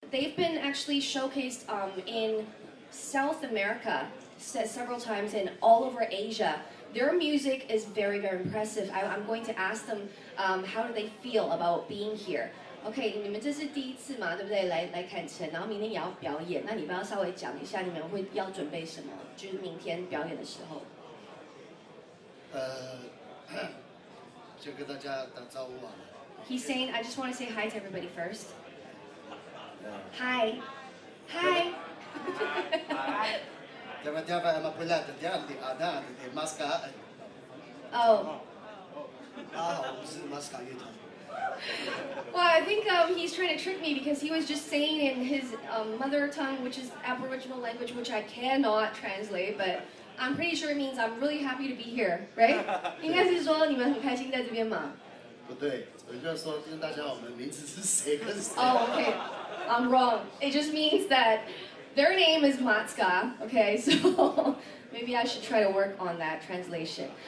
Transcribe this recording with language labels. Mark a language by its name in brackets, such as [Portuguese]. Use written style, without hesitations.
[English] They've been actually showcased in South America several times and all over Asia. Their music is very, very impressive. I'm going to ask them how do they feel about being here. [Chinese] Okay, 你们这是第一次嘛，对不对？来坎城，然后明天也要表演。那你不要稍微讲一下你们会要准备什么，就是明天表演的时候。就跟大家打招呼啊。He's [English] saying, I just want to say hi to everybody first. Hi. Hi. Tiba-tiba emak pula terdiam di ada di MATZKA. Oh. Ah, this is MATZKA. Well, I think he's trying to trick me because he was just saying in his mother tongue, which is Aboriginal language, which I cannot translate, but I'm pretty sure it means I'm really happy to be here, right? [Chinese] 应该是说你们很开心在这边吗？不对，我就说跟大家我们名字是谁跟谁。Oh, [English] okay, I'm wrong. It just means that their name is MATZKA. Okay, so maybe I should try to work on that translation.